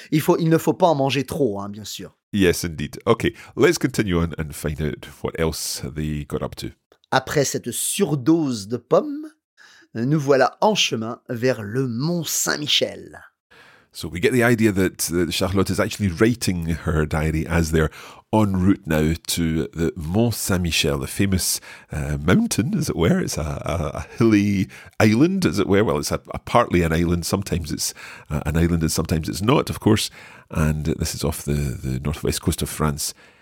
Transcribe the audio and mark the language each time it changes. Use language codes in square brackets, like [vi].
[fr] Il ne faut pas en manger trop, hein, bien sûr. [en] Yes, indeed. Okay, let's continue on and find out what else they got up to. [fr] Après cette surdose de pommes, nous voilà en chemin vers le Mont Saint-Michel. [en] So we get the idea that Charlotte is actually writing her diary as they're en route now to the Mont Saint-Michel, the famous mountain, as it were. It's a hilly island, as it were. Well, it's a partly an island. Sometimes it's an island and sometimes it's not, of course. And this is off the northwest coast of France.